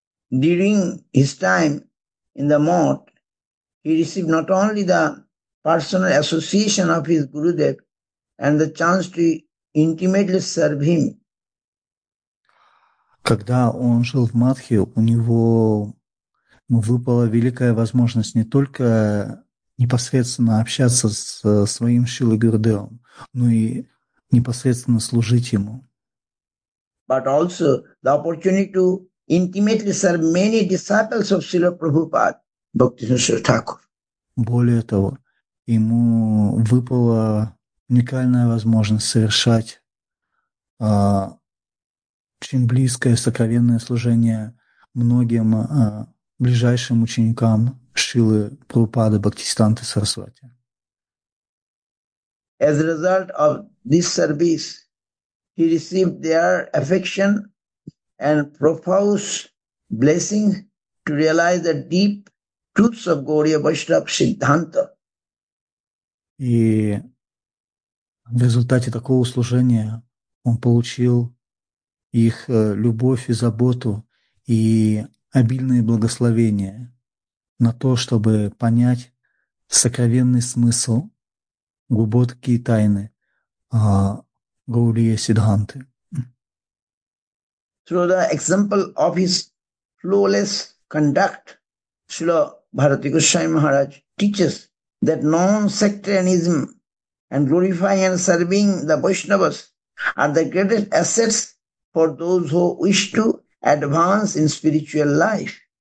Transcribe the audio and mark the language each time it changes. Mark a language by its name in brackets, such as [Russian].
[English] During his time in the mot, he received not only the personal association of his Gurudev and the chance to intimately serve him. [Russian] Когда он жил в Матхе, у него выпала великая возможность не только непосредственно общаться со своим Шрилой Гурудевом, но и непосредственно служить ему. [English] But also the opportunity to intimately serve many disciples of Srila Prabhupada, Bhaktisiddhanta Thakur. [Russian] Более того, ему выпала уникальная возможность совершать очень близкое, сокровенное служение многим ближайшим ученикам Шрилы Прабхупады Бхактисиддханты Сарасвати. [English] As a result of this service, he received their affection and profound blessing to realize the deep truths of Gaudiya Vaishnava Siddhanta. [Russian] И в результате такого служения он получил их любовь и заботу и обильные благословения на то, чтобы понять сокровенный смысл, глубокие тайны Гаудия Сиддханты. [English] Through the example of his flawless conduct, Srila Bharati Goswami Maharaj teaches that non-sectarianism and glorifying and serving the Vaishnavas are the greatest assets for those who wish to advance in spiritual life.